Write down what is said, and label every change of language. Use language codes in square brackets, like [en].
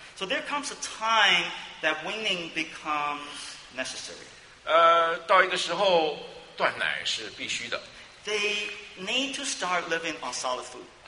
[en] So there comes a time that weaning becomes necessary. [zh] 到一个时候断奶是必须的。 [en] They need to start living on solid food.